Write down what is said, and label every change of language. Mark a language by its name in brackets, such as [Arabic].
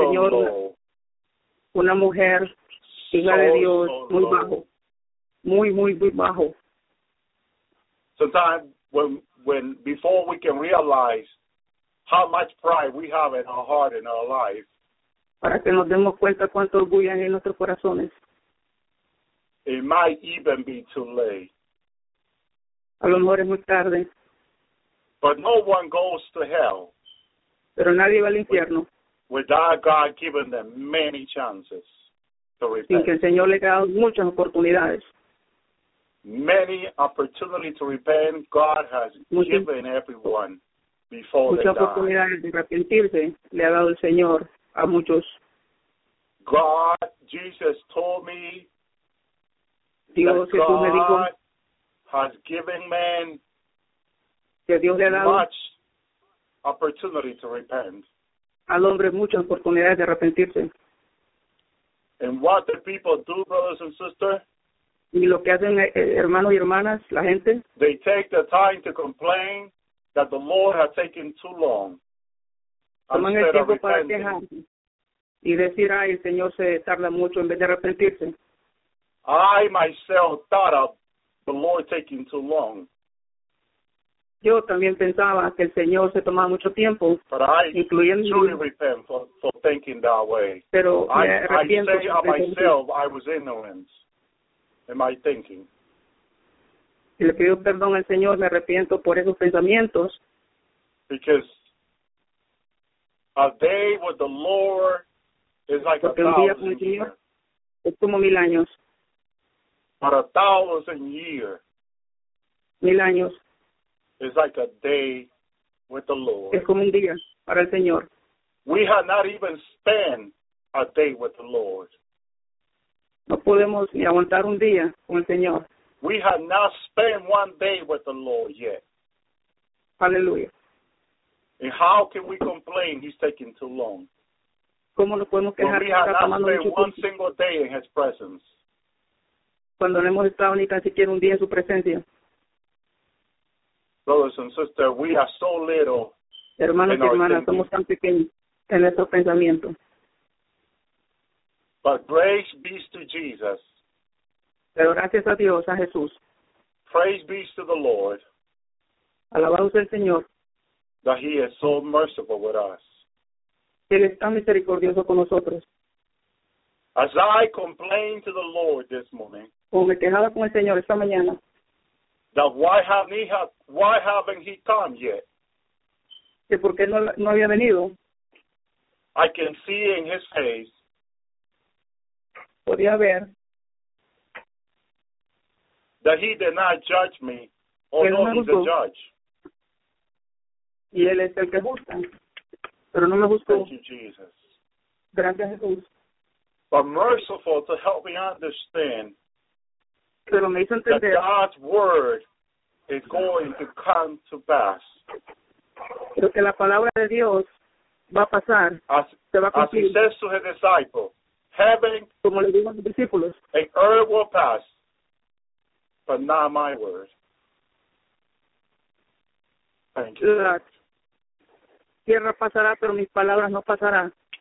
[Spanish] Señor [English] low. [Spanish] Una mujer hija [English] so, [Spanish] de Dios [English] so [Spanish] muy [English] low. [Spanish] Bajo. Muy, muy, muy bajo. [English] Sometimes when before we can realize how much pride we have in our heart and our life. [Spanish] Para que nos demos cuenta cuánto orgullo hay en nuestros corazones. [English] It might even be too late. [Spanish] A lo mejor es muy tarde. [English] But no one goes to hell. [Spanish] Pero nadie va al infierno. [English] Without God giving them many chances to repent. [Spanish] Sin que el Señor le haya dado muchas oportunidades. [English] Many opportunities to repent God has given everyone before they die. [Spanish] Muchas oportunidades de arrepentirse le ha dado el Señor a muchos. [English] God, Jesus told me [Spanish] Dios, [English] that [Spanish] Jesús [English] God [Spanish] me dijo, [English] has given man [Spanish] que Dios le ha dado [English] much opportunity to repent. [Spanish] Al hombre muchas oportunidades de arrepentirse. [English] And what do people do, brothers and sisters? [Spanish] Y lo que hacen hermanos y hermanas, la gente. [English] They take the time to complain that the Lord has taken too long. [Spanish] Toman el tiempo para quejar y decir, ay, el Señor se tarda mucho en vez de arrepentirse. [English] I myself thought of the Lord taking too long. [Spanish] Yo también pensaba que el Señor se tomaba mucho tiempo, [English] but I [Spanish] incluyendo. [English] Truly repent for thinking that way. [Spanish] Pero [English] I say of myself, I was ignorant. Am I thinking? [Spanish] Y le pido perdón al Señor, me arrepiento por esos pensamientos. [English] Because a day with the Lord is like [Spanish] porque [English] a thousand [Spanish] un día con el Señor [English] years. [Spanish] Es como mil años. [English] But a thousand years. [Spanish] Mil años. [English] Is like a day with the Lord. [Spanish] Es como un día para el Señor. [English] We have not even spent a day with the Lord. [Spanish] No podemos ni aguantar un día con el Señor. [English] We have not spent one day with the Lord yet. Hallelujah. And how can we complain he's taking too long? [Spanish] ¿Cómo nos podemos quejar? [English] When we have not spent one single day in his presence. [Spanish] Cuando no hemos estado ni tan siquiera un día en su presencia. [English] Brothers and sisters, we are so little. [Spanish] Hermanos y hermanas, somos tan pequeños en nuestros pensamientos. [English] But praise be to Jesus. [Spanish] Pero gracias a Dios, a Jesús. [English] Praise be to the Lord. [Spanish] Alabado sea el Señor. [English] That he is so merciful with us. [Spanish] Él está misericordioso con nosotros. [English] As I complained to the Lord this morning. [Spanish] Como me quejaba con el Señor esta mañana. [English] That why haven't he come yet? [Spanish] Que por qué no había venido. [English] I can see in his face. [Spanish] Podía ver [English] that he did not judge me, although [Spanish] no [English] he's a judge. [Spanish] Y él es el que juzga, pero no me juzgó. [English] Thank you, Jesus. [Spanish] Gracias, Jesús. [English] But merciful to help me understand [Spanish] pero me hizo entender [English] that God's word is going to come to pass. [Spanish] Pero que la palabra de Dios va a pasar, se va a cumplir. [English] As he says to his disciples, heaven [Spanish] como le digo a los discípulos, [English] and earth will pass, but not my word. Thank you. [Spanish] La tierra pasará, pero mis palabras no pasarán.